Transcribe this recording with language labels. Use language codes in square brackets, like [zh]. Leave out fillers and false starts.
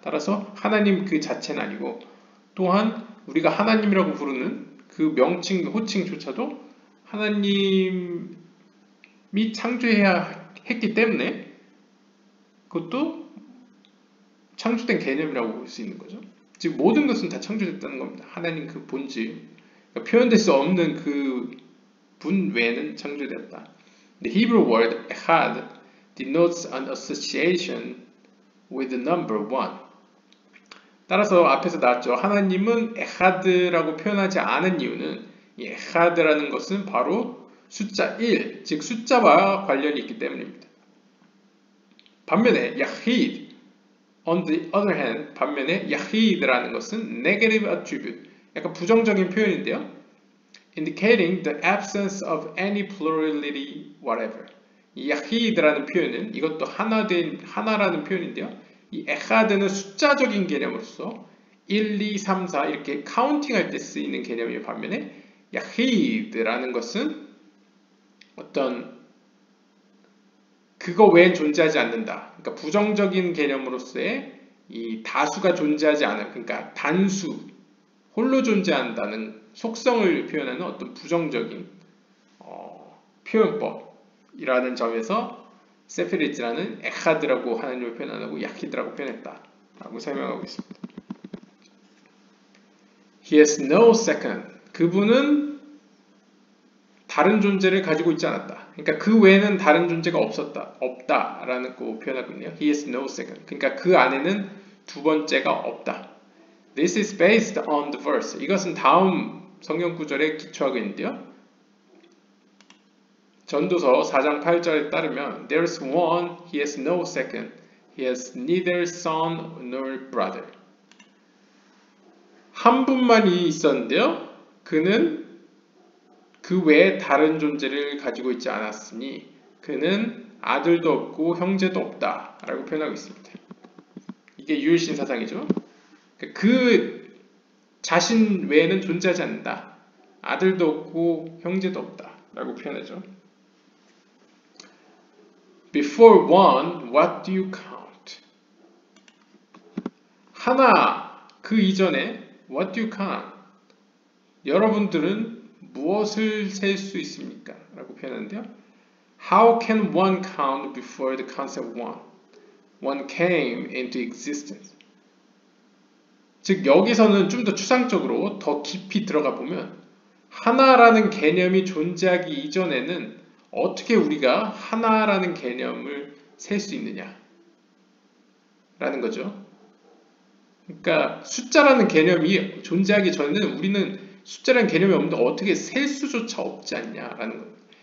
[ko] 따라서 하나님 그 자체는 아니고 또한 우리가 하나님이라고 부르는 그 명칭, 호칭조차도 하나님이 창조해야 했기 때문에 그것도 창조된 개념이라고 볼 수 있는 거죠. 즉 모든 것은 다 창조됐다는 겁니다. 하나님 그 본질, 그러니까 표현될 수 없는 그 분 외에는 창조됐다. [en] The Hebrew word "echad" denotes an association with the number one. [ko] 따라서 앞에서 나왔죠. 하나님은 echad라고 표현하지 않은 이유는 이 echad라는 것은 바로 숫자 1, 즉 숫자와 관련이 있기 때문입니다. 반면에 yahid, [en] on the other hand, [ko] 반면에 yahid라는 것은 [en] negative attribute, [ko] 약간 부정적인 표현인데요. [en] Indicating the absence of any plurality whatever. [ko] 이 yahid라는 표현은 이것도 하나라는 표현인데요. 이 echad는 숫자적인 개념으로서 1, 2, 3, 4 이렇게 카운팅할 때 쓰이는 개념이에요. 반면에 yahid라는 것은 어떤 그거 외엔 존재하지 않는다. 그러니까 부정적인 개념으로서의 이 다수가 존재하지 않은, 그러니까 단수, 홀로 존재한다는 속성을 표현하는 어떤 부정적인 표현법이라는 점에서 세페르 예찌라는 에카드라고 하나님을 표현 하고 야키드라고 표현했다 라고 설명하고 있습니다. [en] He has no second. [ko] 그분은 다른 존재를 가지고 있지 않았다. 그러니까 그 외에는 다른 존재가 없었다, 없다라는 거 표현하고 있네요. [en] He has no second. [ko] 그러니까 그 안에는 두 번째가 없다. [en] This is based on the verse. [ko] 이것은 다음 성경 구절에 기초하고 있는데요. 전도서 4장 8절에 따르면 [en] There is one, he has no second. He has neither son nor brother. [ko] 한 분만이 있었는데요. 그는 그 외에 다른 존재를 가지고 있지 않았으니 그는 아들도 없고 형제도 없다 라고 표현하고 있습니다. 이게 유일신 사상이죠. 그 자신 외에는 존재하지 않는다. 아들도 없고 형제도 없다 라고 표현하죠. [en] Before one, what do you count? [ko] 하나, 그 이전에 [en] what you can, [ko] 여러분들은 무엇을 셀 수 있습니까? 라고 표현하는데요. [en] How can one count before the concept one? One came into existence. [ko] 즉 여기서는 좀 더 추상적으로 더 깊이 들어가 보면 하나라는 개념이 존재하기 이전에는 어떻게 우리가 하나라는 개념을 셀 수 있느냐 라는 거죠. 그러니까 숫자라는 개념이 존재하기 전에는 우리는 숫자라는 개념이 없는데 어떻게 셀 수조차 없지 않냐 라는 겁니다.